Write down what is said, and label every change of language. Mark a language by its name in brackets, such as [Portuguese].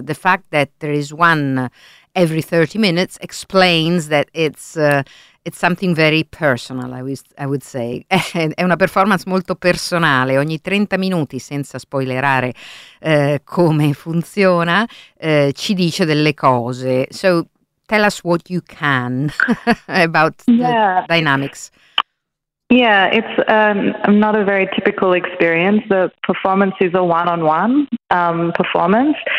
[English] The fact that there is one every 30 minutes explains that it's something very personal, I would say. [Italian] È una performance molto personale. Ogni 30 minuti, senza spoilerare come funziona, ci dice delle cose. [English] So tell us what you can about the dynamics. Yeah, it's not a very typical experience. The performance is a one-on-one performance.